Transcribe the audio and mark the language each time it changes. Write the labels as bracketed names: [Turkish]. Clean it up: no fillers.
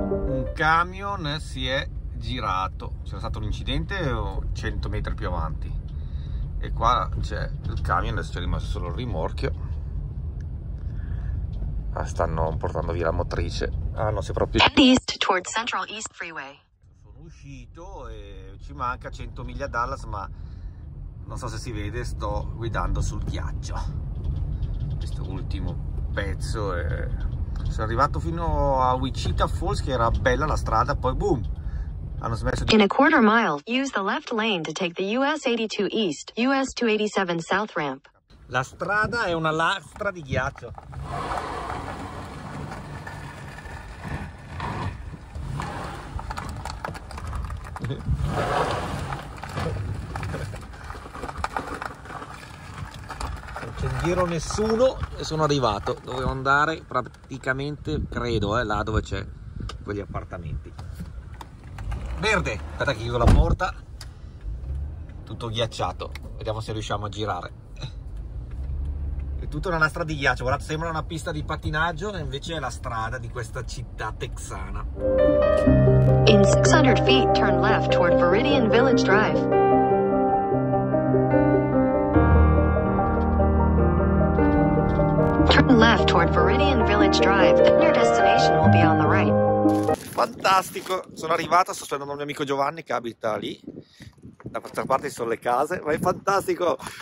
[Italian] Un camion si è girato, c'era stato un incidente 100 metri più avanti e qua c'è il camion, adesso c'è rimasto solo il rimorchio. Ah, stanno portando via la motrice. Ah, non si è proprio. [English] East towards Central East Freeway. [Italian] Sono uscito e ci manca 100 miglia Dallas, ma non so se si vede, sto guidando sul ghiaccio. Questo ultimo pezzo è... sono arrivato fino a Wichita Falls, che era bella la strada, poi boom. Hanno smesso di... [English] In a quarter mile, use the left lane to take the US 82 East, US 287 South ramp. [Italian] La strada è una lastra di ghiaccio. Non c'è in giro nessuno e sono arrivato. Dovevo andare praticamente, credo, là dove c'è quegli appartamenti. Verde! Aspetta che chiudo la porta. Tutto ghiacciato. Vediamo se riusciamo a girare. è tutta una strada di ghiaccio, guardate, sembra una pista di pattinaggio, invece è la strada di questa città texana. [English] In 600 feet turn left toward Viridian Village Drive. Turn left toward Viridian Village Drive, then your destination will be on the right. [Italian] Fantastico, sono arrivato, sto aspettando il mio amico Giovanni che abita lì. Da questa parte ci sono le case, ma è fantastico!